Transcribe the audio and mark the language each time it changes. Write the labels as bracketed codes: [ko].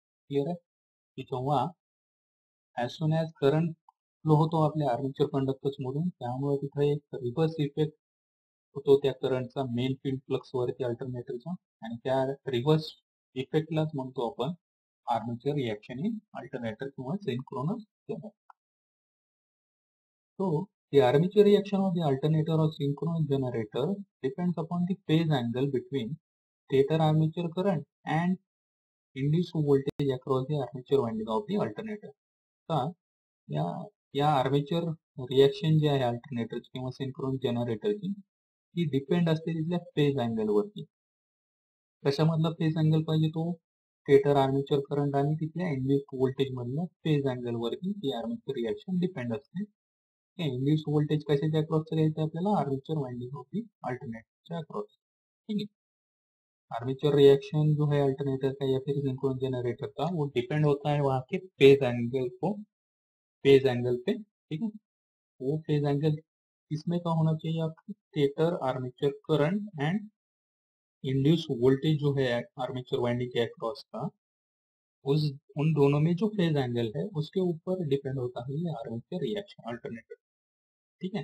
[mr] Clear आहे की जेव्हा as soon as current flow होतो आपल्या आर्मेचर कंडक्टर्स मधून, त्यामुळे तिथे एक रिव्हर्स इफेक्ट होतो त्या करंटचा मेन फील्ड फ्लक्स वरती अल्टरनेटरचा, आणि त्या रिव्हर्स इफेक्टलाच म्हणतो आपण आर्मेचर रिॲक्शन इन अल्टरनेटर किंवा synchronous generator. [en] Armature reaction of the alternator of synchronous generator depends upon the phase angle between stator armature current and induce voltage across the armature winding of the alternator. [mr] या armature reaction जे आहे अल्टरनेटरची किंवा synchronous जनरेटरची, ती depend असते तिथल्या phase angle वरती. कशामधला phase angle पाहिजे, तो स्टेटर आर्मेचर करंट आणि तिथल्या इंड्यूस व्होल्टेज मधल्या फेज अँगल वरती ती आर्मेचर रिॲक्शन डिपेंड असते. इंड्यूस व्होल्टेज कशाच्या अक्रॉस करायचं आपल्याला, armature winding of the अल्टरनेटरच्या across, ठीक आहे. [hi] आर्मेचर रिएक्शन जो है अल्टरनेटर का या फिर सिंक्रोनस जनरेटर का, वो डिपेंड होता है वहां के फेज एंगल को, फेज एंगल पे, ठीक है. वो फेज एंगल इसमें का होना चाहिए आपके stator armature current and induce voltage जो है आर्मेचर वाइंडिंग के अक्रॉस का, उस उन दोनों में जो फेज एंगल है उसके ऊपर डिपेंड होता है ये आर्मेचर रिएक्शन अल्टरनेटर, ठीक है.